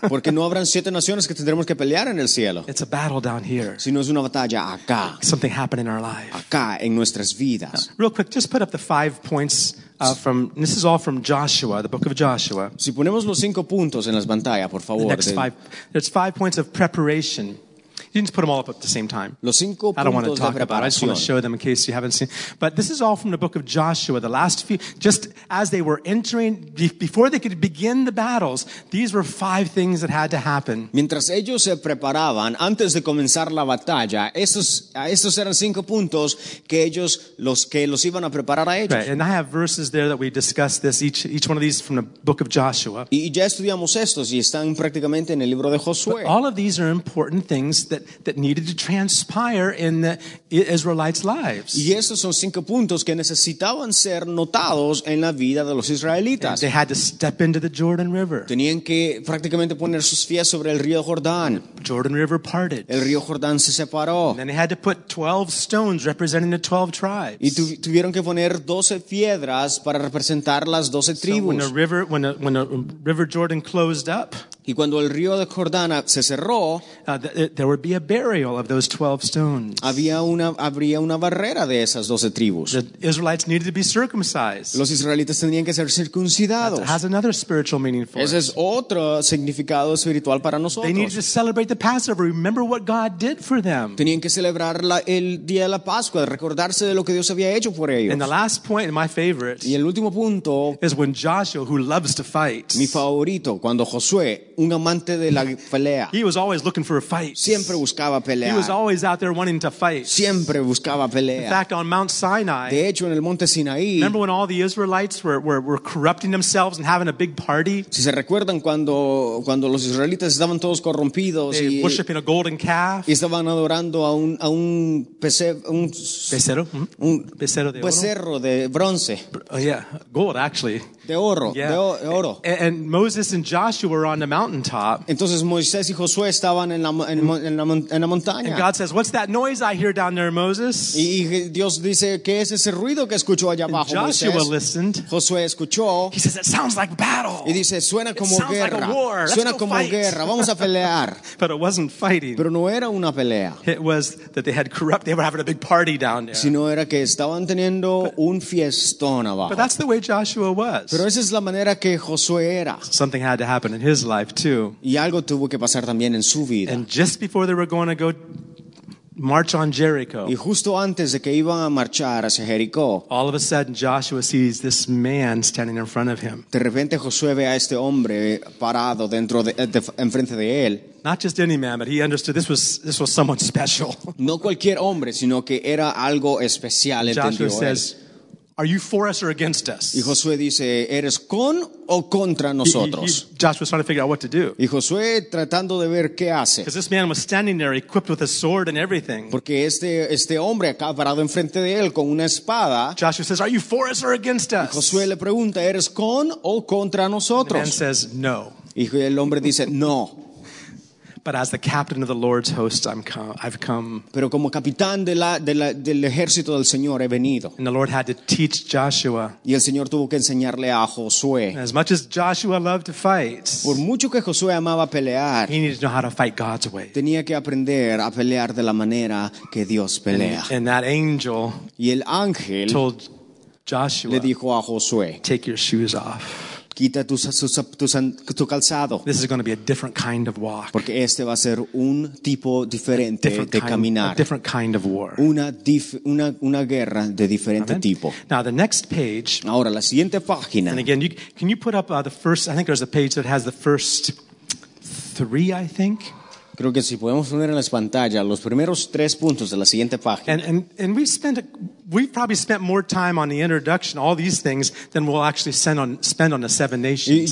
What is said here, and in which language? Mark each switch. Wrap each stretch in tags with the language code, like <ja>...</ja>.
<es>Porque no habrán siete naciones que tendremos que pelear en el cielo.</es> <en>It's a battle down here.</en> <es>Sino es una batalla acá.</es> <en>Something happened in our lives.</en> <es>Acá en nuestras vidas.</es> <en>Now, real quick, just put up the 5 points. From this is all from Joshua, the book of Joshua.</en> <es>Si ponemos los cinco puntos en las pantallas, por favor.</es> <en>The next five, there's 5 points of preparation. You can just put them all up at the same time.</en> <es>Los cinco puntos de preparación.</es> <en>I don't want to talk about it. I just want to show them in case you haven't seen. But this is all from the book of Joshua. The last few, just as they were entering, before they could begin the battles, these were 5 things that had to happen.</en> <es>Mientras ellos se preparaban antes de comenzar la batalla, estos eran 5 puntos que ellos los iban a preparar a ellos.</es> <en>Right, and I have verses there that we discussed this each one of these from the book of Joshua.</en> <es>Y ya estudiamos estos y están prácticamente en el libro de Josué.</es> <en>But all of these are important things that needed to transpire in the Israelites' lives.</en> <es>Y esos son 5 puntos que necesitaban ser notados en la vida de los israelitas.</es> <en>And they had to step into the Jordan River.</en> <es>Tenían que prácticamente poner sus pies sobre el río Jordán.</es> <en>Jordan River parted.</en> <es>El río Jordán se separó.</es> <en>And then they had to put 12 stones representing the 12 tribes.</en> <es>Y tuvieron que poner 12 piedras para representar las 12 tribus.</es> <en>So when the River Jordan closed up,</en> <es>y cuando el río de Jordán se cerró,</es> <en>there would be a burial of those 12 stones.</en> <es>Habría una barrera de esas 12 tribus.</es> <en>The Israelites needed to be circumcised.</en> <es>Los israelitas tendrían que ser circuncidados.</es> <en>That has another spiritual meaning for us.</en> <es>Ese es otro significado espiritual para nosotros.</es> <en>They needed to celebrate the Passover. Remember what God did for them.</en> <es>Tenían que celebrar el día de la Pascua, recordarse de lo que Dios había hecho por ellos.</es> <en>And the last point, my favorite,</en> <es>y el último punto,</es> <en>is when Joshua, who loves to fight,</en> <es>mi favorito, cuando Josué, un amante de la pelea.</es> <en>He was always looking for a fight.</en> <es>Siempre buscaba pelear.</es> <en>He was always out there wanting to fight.</en> <es>Siempre buscaba pelear.</es> <en>In fact, on Mount Sinai.</en> <es>De hecho, en el Monte Sinaí.</es> <en>Remember when all the Israelites were corrupting themselves and having a big party?</en> <es>Si se recuerdan cuando los israelitas estaban todos corrompidos</es> <en>they</en> <es>y</es> <en>worshiping a golden calf.</en> <es>Y estaban adorando a un becerro. Un becerro. Un becerro de oro. Becerro de bronce.</es> <en>Oh, yeah, gold actually.</en> <es>De oro,</es> <en>yeah.</en> <es>De oro.</es> <en>And Moses and Joshua were on the mountaintop.</en> <es>Entonces Moisés y Josué estaban en la montaña.</es> <en>And God says, "What's that noise I hear down there, Moses?"</en> <es>Y Dios dice, "¿Qué es ese ruido que escucho allá abajo,</es> <en>Moisés?" And Joshua listened.</en> <es>Josué escuchó.</es> <en>He says, "It sounds like battle."</en> <es>Y dice, "Suena como guerra."</es> <en>It sounds like a war. Let's</en> <es>suena</es> <en>go</en> <es>como</es> <en>fight.</en> <es>Guerra. Vamos a pelear.</es> <en>But it wasn't fighting.</en> <es>Pero no era una pelea.</es> <en>It was that they had corrupt. They were having a big party down there.</en> <es>Sino era que estaban teniendo un fiestón abajo.</es> <en>But that's the way Joshua was.</en> <es>Pero esa es la manera que Josué era.</es> <en>Something had to happen in his life too.</en> <es>Y algo tuvo que pasar también en su vida.</es> <en>And just before they were going to go march on Jericho.</en> <es>Y justo antes de que iban a marchar hacia Jericó.</es> <en>All of a sudden Joshua sees this man standing in front of him.</en> <es>De repente Josué ve a este hombre parado dentro de enfrente de él.</es> <en>Not just any man, but he understood this was someone special.</en> <es>No cualquier hombre, sino que era algo especial, entendió él.</es> <en>Are you for us or against us?</en> <es>Y Josué dice, ¿eres con o contra nosotros?</es> <en>Joshua's trying to figure out what to do.</en> <es>Y Josué tratando de ver qué hace.</es> <en>Because this man was standing there equipped with a sword and everything.</en> <es>Porque este hombre acá parado enfrente de él con una espada.</es> <en>Joshua says, are you for us or against us?</en> <es>Y Josué le pregunta, ¿eres con o contra nosotros?</es> <en>The man says, no.</en> <es>Y el hombre dice, no.</es> <en>But as the captain of the Lord's hosts, I've come.</en> <es>Pero como capitán del ejército del Señor he venido.</es> <en>And the Lord had to teach Joshua.</en> <es>Y el Señor tuvo que enseñarle a Josué.</es> <en>As much as Joshua loved to fight,</en> <es>por mucho que Josué amaba pelear,</es> <en>he needed to know how to fight God's way.</en> <es>Tenía que aprender a pelear de la manera que Dios pelea.</es> <en>And that angel,</en> <es>y el ángel,</es> <en>told Joshua,</en> <es>le dijo a Josué,</es> <en>take your shoes off.</en> <es>Quita tu calzado.</es> <en>This is going to be a different kind of walk.</en> <es>Porque este va a ser un tipo diferente de caminar.</es> <en>A different kind of war.</en> <es>Una guerra de diferente tipo.</es> <en>Now the next page.</en> <es>Ahora la siguiente página.</es> <en>And again, can you put up the first? I think there's a page that has the first 3. I think.</en> <es>Creo que si podemos poner en las pantallas los primeros 3 puntos de la siguiente página.</es> <en>And we've probably spent more time on the introduction, all these things, than we'll actually spend on the seven nations.</en>